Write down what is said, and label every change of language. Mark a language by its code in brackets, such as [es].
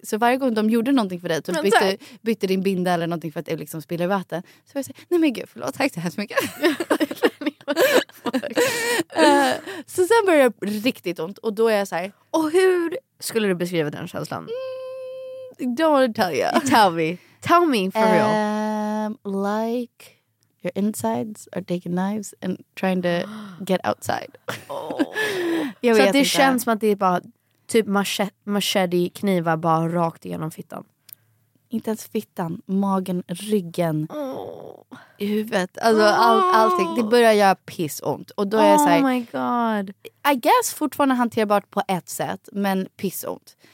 [sv] Så varje gång de gjorde någonting för dig, typ bytte din binda eller någonting för att du liksom spiller vatten. Så jag säger, nej men gud, förlåt, tack så hemskt mycket. Så sen började jag riktigt ont. Och då är jag så här, och hur skulle du beskriva den känslan? [en] Don't want to tell you. Tell me. Tell me for real. Like your insides are taking knives and trying to get outside. [sv] Jag vet, så det inte. Känns som att det är bara typ machete knivar bara rakt igenom fittan. Inte ens fittan, magen, ryggen. Oh. I huvudet. Alltså allting. Det börjar göra pissont. Och då är jag så här, [en] oh my god. I guess [sv] fortfarande hanterbart på ett sätt, men pissont.